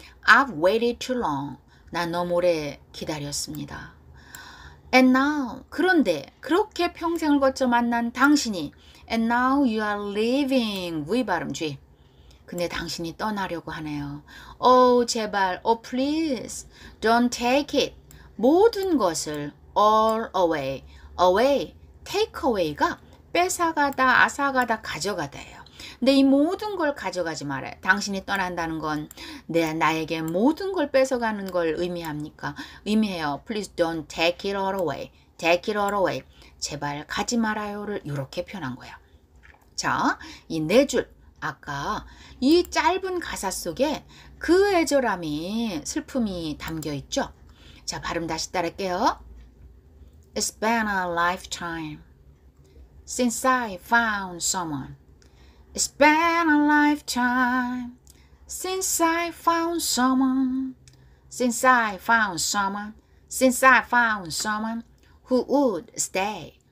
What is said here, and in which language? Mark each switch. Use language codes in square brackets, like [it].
[en] I've waited too long. [ko] 나 너무 오래 기다렸습니다. And now, 그런데 그렇게 평생을 거쳐 만난 당신이 [en] And now you are leaving. [ko] V 발음 G. 근데 당신이 떠나려고 하네요. Oh, 제발. [en] Oh, please. Don't take it. [ko] 모든 것을 [en] all away. Away. [ko] Take away가 뺏어가다, 앗아가다, 가져가다예요. 근데 이 모든 걸 가져가지 말아요. 당신이 떠난다는 건 내 나에게 모든 걸 뺏어가는 걸 의미합니까? 의미해요. [en] Please don't take it all away. Take it all away. [ko] 제발 가지 말아요를 이렇게 표현한 거예요. 자, 이 네 줄. 아까 이 짧은 가사 속에 그 애절함이, 슬픔이 담겨 있죠? 자, 발음 다시 따를게요. [en] It's been a lifetime since I found someone. It's been a lifetime since I found someone. Since I found someone. Since I found someone who would stay.